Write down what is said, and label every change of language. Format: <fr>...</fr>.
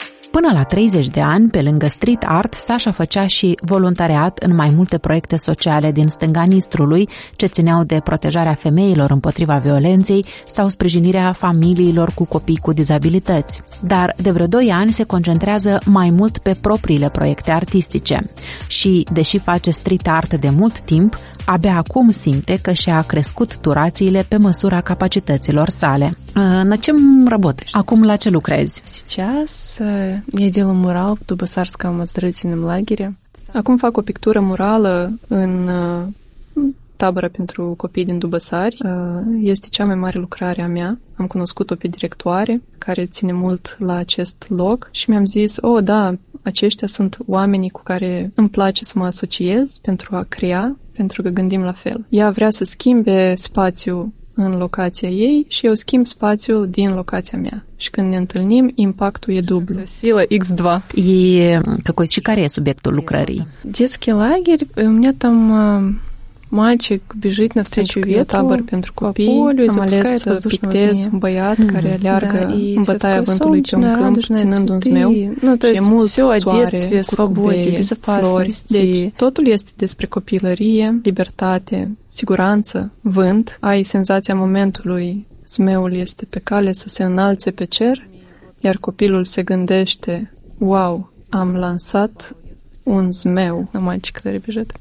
<ro>Până la 30 de ani, pe lângă street art, Sasha făcea și voluntariat în mai multe proiecte sociale din Stânga Nistrului, ce țineau de protejarea femeilor împotriva violenței sau sprijinirea familiilor cu copii cu dizabilități. Dar de vreo 2 ani se concentrează mai mult pe propriile proiecte artistice. Și, deși face street art de mult timp, abia acum simte că și-a crescut turațiile pe măsura capacităților sale.</ro> <ru>На чем работаешь?</ru> <ro>Acum la ce lucrezi?</ro> <ru>Сейчас я делаю мурал в Дубасарском оздоровительном лагере.</ru> <ro>Acum fac o pictură murală în tabără pentru copii din Dubăsari. Este cea mai mare lucrare a mea. Am cunoscut-o pe directoare care ține mult la acest loc și mi-am zis, oh, da, aceștia sunt oamenii cu care îmi place să mă asociez pentru a crea, pentru că gândim la fel. Ea vrea să schimbe spațiul în locația ei și eu schimb spațiul din locația mea. Și când ne întâlnim, impactul e dublu.</ro> <ru>Sila X2.</ru> <ro>Și care e subiectul lucrării?</ro> <ru>Детский лагерь. У меня там мальчик бежит навстречу ветру,</ru> <ro>pentru copii. Am ales să pictez un băiat care aleargă în bătaia vântului pe un câmp, ținând un zmeu. E mult soare, curcubeie, flori. Deci totul este despre copilărie, libertate, siguranță, vânt. Ai senzația momentului, zmeul este pe cale să se înalțe pe cer, iar copilul se gândește, wow, am lansat un zmeu, un mai care bijet.</ro>